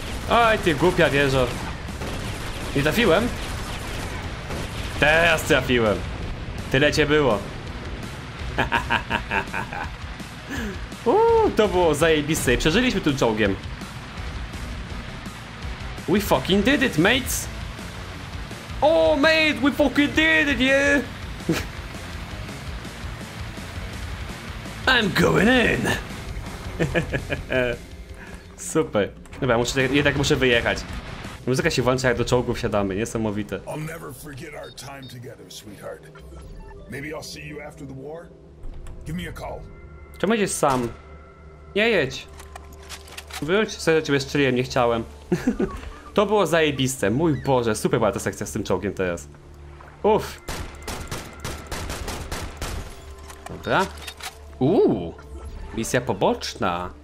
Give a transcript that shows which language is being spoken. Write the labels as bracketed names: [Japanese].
[Polish] Oj, ty głupia wieżo. Nie trafiłem? Teraz trafiłem. Tyle cię było. To było zajebiste. Przeżyliśmy tym czołgiem. [English] We fucking did it, mates. Oh, mate, we fucking did it, yeah. I'm going in. [Polish] Super. Dobra, muszę, jednak muszę wyjechać. Muzyka się włącza, jak do czołgu wsiadamy. Niesamowite. [English] I'll never forget our time together, sweetheart. Maybe I'll see you after the war. Give me a call. [Polish] Czemu jedziesz sam? Nie jedź. Wróć, sobie do ciebie strzeliłem, nie chciałem. To było zajebiste. Mój Boże, super była ta sekcja z tym czołgiem teraz. Uff. Dobra. Misja poboczna.